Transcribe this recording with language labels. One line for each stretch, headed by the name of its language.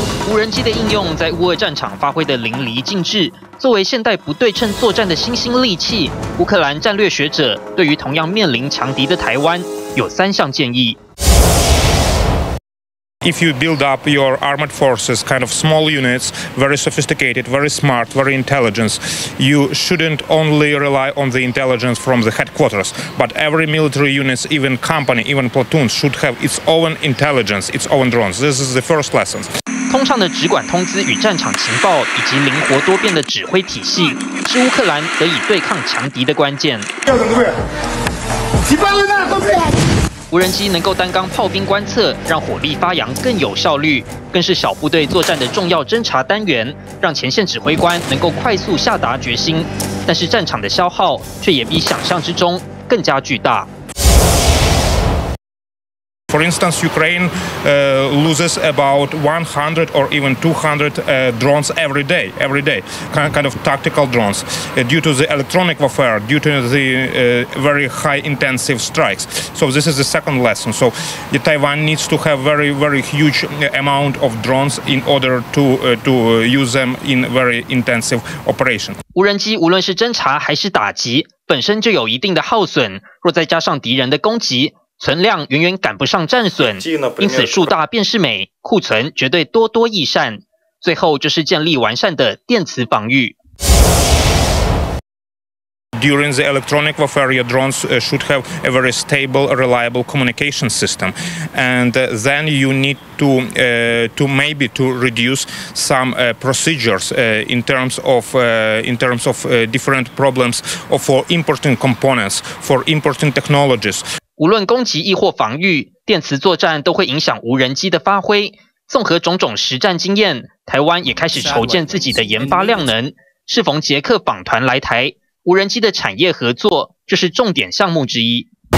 Chinese: 无人机的应用在乌俄战场发挥得淋漓尽致，作为现代不对称作战的新兴利器，乌克兰战略学者对于同样面临强敌的台湾有三项建议。
English: If you build up your armored forces, kind of small units, very sophisticated, very smart, very intelligent, you shouldn't only rely on the intelligence from the headquarters, but every military unit, even company, even platoon, should have its own intelligence, its own drones. This is the first lesson.
Chinese: 通畅的直管通资与战场情报，以及灵活多变的指挥体系，是乌克兰得以对抗强敌的关键。无人机能够担纲炮兵观测，让火力发扬更有效率，更是小部队作战的重要侦察单元，让前线指挥官能够快速下达决心。但是战场的消耗却也比想象之中更加巨大。
English: For instance, Ukraine loses about 100 or even 200 drones every day, kind of tactical drones, due to the electronic warfare, due to the very high intensive strikes. So this is the second lesson. So Taiwan needs to have very, very huge amount of drones in order to use them in very intensive operation.
Chinese: 无人机无论是侦察还是打击，本身就有一定的耗损，若再加上敌人的攻击，存量远远赶不上战损，因此树大便是美，库存绝对多多益善。最后就是建立完善的电磁防御。
English: During the electronic warfare, your drones should have a very stable, reliable communication system, and then you need to reduce some procedures in terms of different problems or for importing components, for importing technologies.
Chinese: 无论攻击亦或防御，电磁作战都会影响无人机的发挥。综合种种实战经验，台湾也开始筹建自己的研发量能。适逢捷克访团来台，无人机的产业合作就是重点项目之一。